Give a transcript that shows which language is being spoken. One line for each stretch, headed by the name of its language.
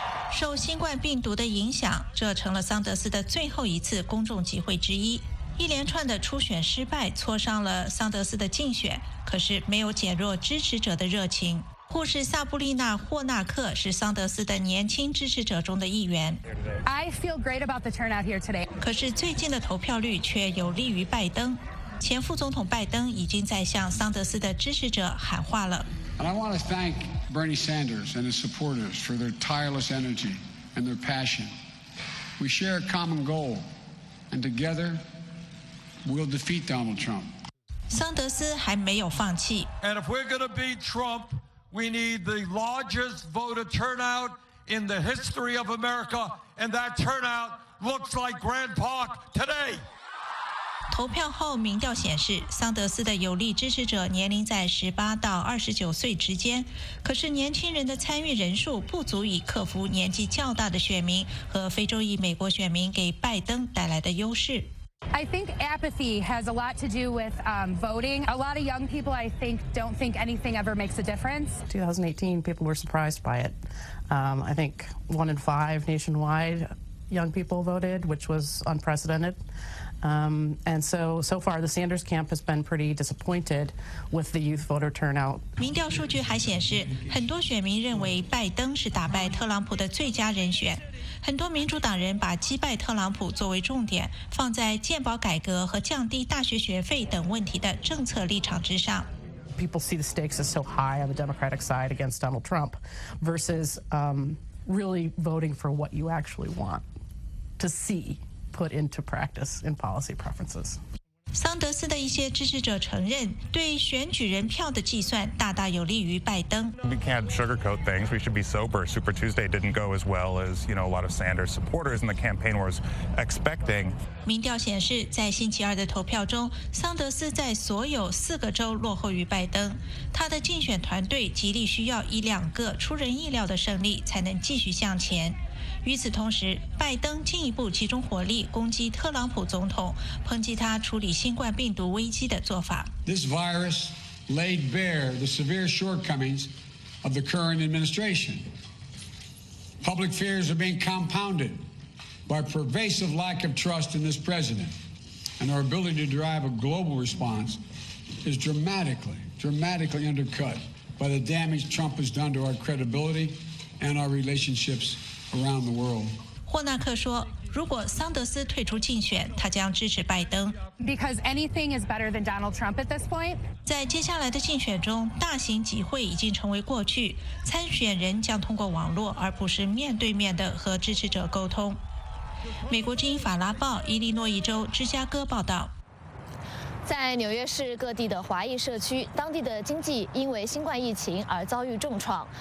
Chinese: 受新冠病毒的影响，这成了桑德斯的最后一次公众集会之一。一连串的初选失败挫伤了桑德斯的竞选，可是没有减弱支持者的热情。护士萨布丽娜·霍纳克是桑德斯的年轻支持者中的一员。
English: I feel great about the turnout here today.
Chinese: 可是最近的投票率却有利于拜登。前副总统拜登已经在向桑德斯的支持者喊话了。
English: And I want to thank Bernie Sanders and his supporters for their tireless energy and their passion. We share a common goal, and together we'll defeat Donald Trump.
Chinese: 桑德斯还没有放弃。
English: And if we're going to beat Trump, we need the largest voter turnout in the history of America, and that turnout looks like Grand Park today.
Chinese: 投票后，民调显示，桑德斯的有力支持者年龄在18到29岁之间，可是年轻人的参与人数不足以克服年纪较大的选民和非洲裔美国选民给拜登带来的优势。
English: I think apathy has a lot to do with voting. A lot of young people, I think, don't think anything ever makes a difference. 2018, people were surprised by it. I think 1 in 5 nationwide young people voted, which was unprecedented. And so far, the Sanders camp has been pretty disappointed with the youth voter turnout.
Chinese: 民调数据还显示，很多选民认为拜登是打败特朗普的最佳人选。很多民主党人把击败特朗普作为重点，放在健保改革和降低大学学费等问题的政策立场之上。
English: People see the stakes are so high on the Democratic side against Donald Trump versus really voting for what you actually want to see put into practice in policy preferences.
Chinese: 桑德斯的一些支持者承认，对选举人票的计算大大有利于拜登。
English: We can't sugarcoat things. We should be sober. Super Tuesday didn't go as well as, you know, a lot of Sanders supporters in the campaign were expecting.
Chinese: 民调显示，在星期二的投票中，桑德斯在所有4个州落后于拜登。他的竞选团队极力需要一两个出人意料的胜利才能继续向前。与此同时，拜登进一步集中火力攻击特朗普总统，抨击他处理新冠病毒危机的做法。
English: This virus laid bare the severe shortcomings of the current administration. Public fears are being compounded by pervasive lack of trust in this president, and our ability to drive a global response is dramatically undercut by the damage Trump has done to our credibility and our relationships. Around the world.
Chinese: 霍纳克说，如果桑德斯退出竞选，他将支持拜登。
English: Because anything is better than Donald Trump at this point.
Chinese: 在接下来的竞选中，大型集会已经成为过去，参选人将通过网络，而不是面对面的和支持者沟通。美国之音法拉报，伊利诺伊州芝加哥报道。在纽约市各地的华裔社区，当地的经济因为新冠疫情而遭遇重创。